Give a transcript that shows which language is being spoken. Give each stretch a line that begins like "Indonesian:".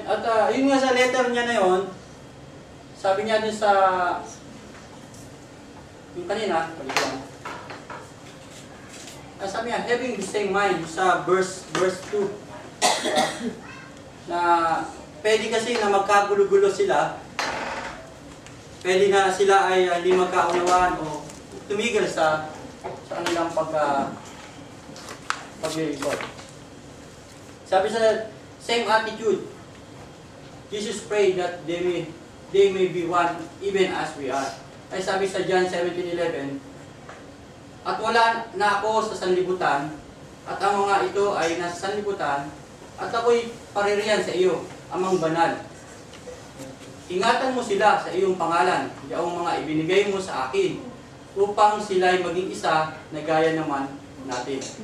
Filipino: At yun nga sa letter niya na yun, sabi niya din sa yung kanina, sabi niya,
English: having the same mind
Filipino: sa verse 2, na pwede kasi na magkagulo-gulo sila, pwede na sila ay hindi magkaunawaan o tumigil sa kanilang pag-report. Sabi sa
English: same attitude, Jesus prayed that they may be one even as we are.
Filipino: Ay sabi sa John 17:11, at wala na ako sa sanlibutan, at ang mga ito ay nasa sanlibutan, at ako'y paririyan sa iyo, amang banal. Ingatan mo sila sa iyong pangalan, yung mga ibinigay mo sa akin, upang sila'y maging isa na gaya naman natin.